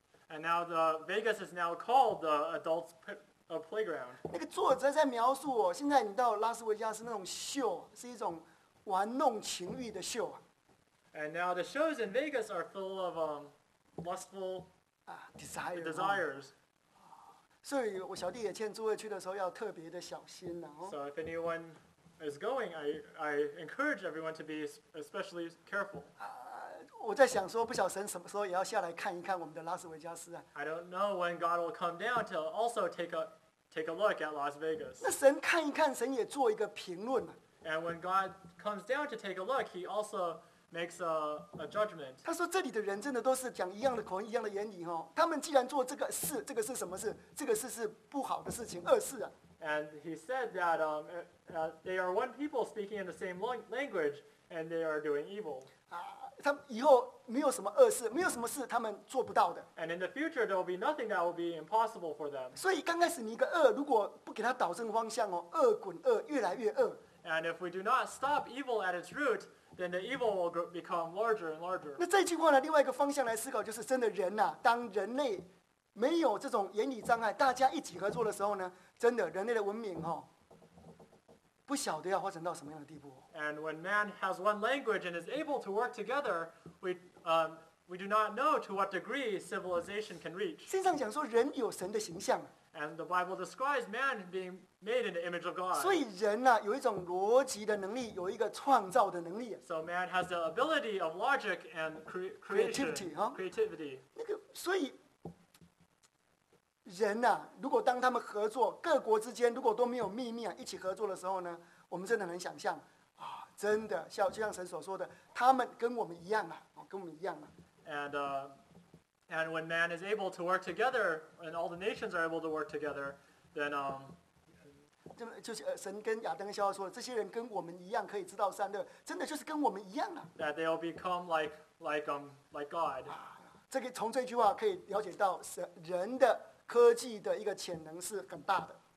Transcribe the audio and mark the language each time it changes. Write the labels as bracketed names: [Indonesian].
[English] And now the Vegas is now called the adults playground. [Chinese] 那个作者在描述哦，现在你到拉斯维加斯那种秀是一种。玩弄情欲的秀啊 [English] ！And now the shows in Vegas are full of lustful desires. [Chinese] 所以，我小弟也劝诸位去的时候要特别的小心呐、 [English] 哦。So if anyone is going, I encourage everyone to be especially careful. [Chinese] 我在想说，不晓神什么时候也要下来看一看我们的拉斯维加斯啊。 [English] I don't know when God will come down to also take a look at Las Vegas. [Chinese] 那神看一看，神也做一个评论嘛。 [English] And when God comes down to take a look, he also makes a judgment. [Chinese] 他说这里的人真的都是讲一样的口音，一样的言语哦。他们既然做这个事，这个是什么事？这个事是不好的事情，恶事啊。 [English] And he said that they are one people speaking in the same language, and they are doing evil. [Chinese] 他们以后没有什么恶事，没有什么事他们做不到的。 [English] And in the future, there will be nothing that will be impossible for them. [Chinese] 所以刚开始你一个恶，如果不给他导正方向哦，恶滚恶，越来越恶。 [English] And if we do not stop evil at its root, then the evil will become larger and larger. [Chinese] 那这句话呢？另外一个方向来思考，就是真的人呐、啊，当人类没有这种言语障碍，大家一起合作的时候呢，真的人类的文明哦，不晓得要发展到什么样的地步。 [English] And when man has one language and is able to work together, we do not know to what degree civilization can reach. [Chinese] 经常讲说，人有神的形象。 [English] And the Bible describes man being made in the image of God. [Chinese] 所以人啊，有一种逻辑的能力，有一个创造的能力。 [English] So man has the ability of logic and creativity. Creativity. [Chinese] 那个，所以人啊，如果当他们合作，各国之间如果都没有秘密啊，一起合作的时候呢，我们真的能想象啊，真的像就像神所说的，他们跟我们一样啊，跟我们一样啊。 [English] And when man is able to work together, and all the nations are able to work together, then [Chinese] 就是神跟亚当夏娃说的，这些人跟我们一样可以知道善恶，真的就是跟我们一样啊。 [English] That they will become like God. [Chinese] 这个从这句话可以了解到，人的科技的一个潜能是很大的。